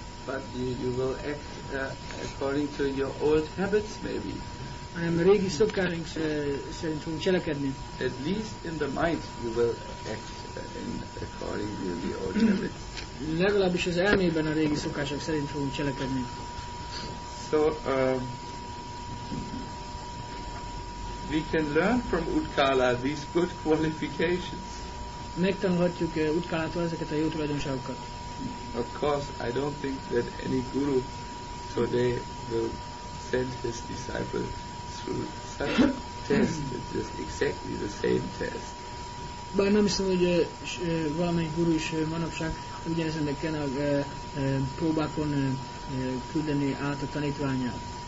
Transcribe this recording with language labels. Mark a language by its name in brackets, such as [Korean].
[English] But you will act according to your old habits, maybe. [Hungarian] Hanem a régi szokásaink szerint fogunk cselekedni. [English] At least in the mind you will act in according to the old habits. [Hungarian] Legalábbis az elmében a régi szokások szerint fogunk cselekedni. [English] So we can learn from Utkala these good qualifications. [Hungarian] Megtanulhatjuk Utkalától ezeket a jó tulajdonságokat. [English] Of course, I don't think that any guru today will send his disciple through such a test. It's just exactly the same test. [Hungarian] Bár nem hiszem, hogy valamelyik guru is manapság ugyanezen a próbákon küldeni át a tanítványát.